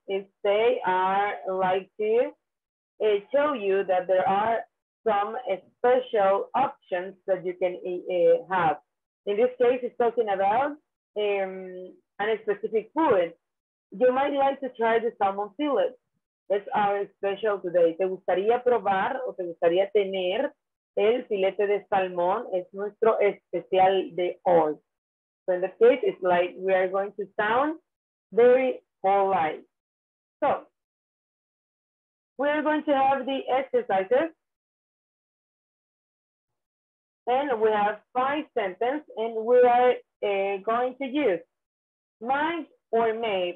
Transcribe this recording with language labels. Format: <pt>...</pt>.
<en>It's they are like to show you that there are some special options that you can have. In this case, it's talking about a specific food. You might like to try the salmon fillet. It's our special today.</en> <es>¿Te gustaría probar o te gustaría tener el filete de salmón? Es nuestro especial de hoy.</es> <en>So in this case, it's like we are going to sound very polite. So, we are going to have the exercises. And we have five sentences, and we are going to use might or may.</en>